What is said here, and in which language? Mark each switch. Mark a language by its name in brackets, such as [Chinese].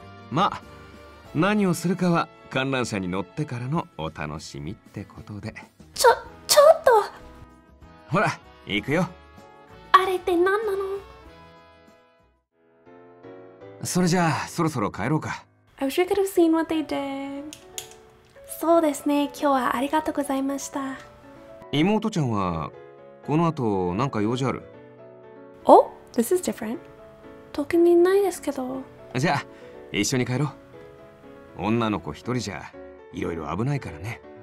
[Japanese] まあ、何をするかは観覧車に乗ってからのお楽しみってことで。ちょっと。ほら、行くよ。あれって何なの？それじゃあ、そろそろ帰ろうか。 [English] I wish I could have seen what they did. [Japanese] そうですね、今日はありがとうございました。妹ちゃんは、この後何か用事ある？ [English] Oh, this is different. [Japanese] 特にないですけど。じゃあ、一緒に帰ろう。女の子一人じゃ、いろいろ危ないからね。